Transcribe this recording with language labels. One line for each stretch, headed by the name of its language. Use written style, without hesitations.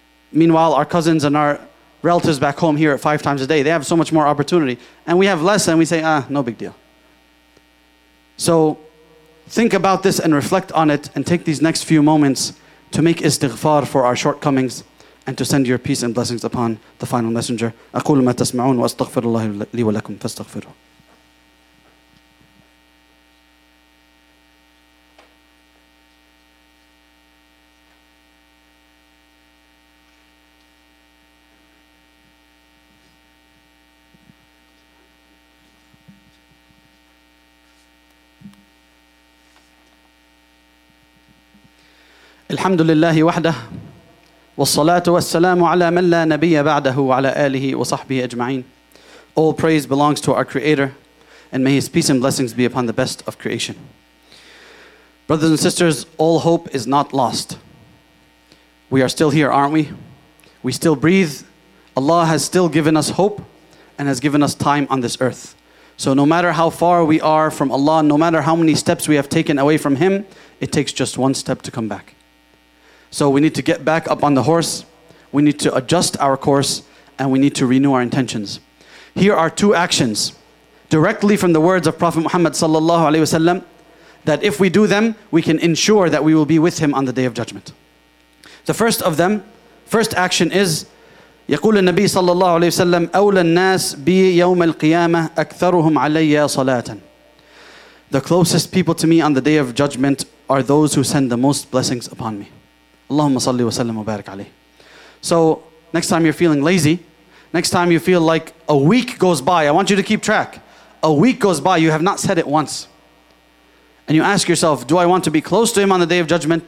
English: Meanwhile, our cousins and our relatives back home hear it five times a day. They have so much more opportunity. And we have less and we say, no big deal. So, think about this and reflect on it and take these next few moments to make istighfar for our shortcomings and to send your peace and blessings upon the final messenger.
Arabic: أقول ما تسمعون وأستغفر الله لي ولكم فاستغفروا. الحمد لله وحده والصلاة والسلام على من لا نبي بعده وعلى آله وصحبه أجمعين.
English: All praise belongs to our Creator, and may His peace and blessings be upon the best of creation. Brothers and sisters, all hope is not lost. We are still here, aren't we? We still breathe. Allah has still given us hope and has given us time on this earth. So no matter how far we are from Allah, no matter how many steps we have taken away from Him, it takes just one step to come back. So we need to get back up on the horse, we need to adjust our course, and we need to renew our intentions. Here are two actions, directly from the words of Prophet Muhammad sallallahu alaihi wasallam, that if we do them, we can ensure that we will be with him on the Day of Judgment. The first of them, first action is,
Arabic: يقول النبي صلى الله عليه وسلم, أولى الناس بي يوم القيامة أكثرهم علي صلاة.
English: The closest people to me on the Day of Judgment are those who send the most blessings upon me. Allahumma salli wa sallam wa barik alayhi. So next time you're feeling lazy, next time you feel like a week goes by, I want you to keep track. A week goes by, you have not said it once. And you ask yourself, do I want to be close to him on the Day of Judgment?